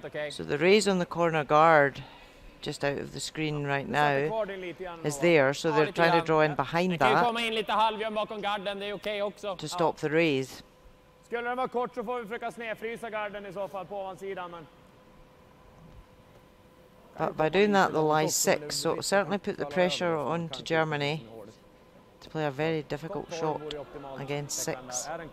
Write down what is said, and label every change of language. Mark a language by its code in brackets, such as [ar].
[en] So the raise on the corner guard, just out of the screen right now, is there. So they're trying to draw in behind that to stop the raise. [sv] Skulle den vara kort så får vi försöka snedfrysa garden I så fall på ovansidan, men... [en] But by doing that, they'll lie six, so it'll certainly put the pressure on to Germany to play a very difficult shot against six.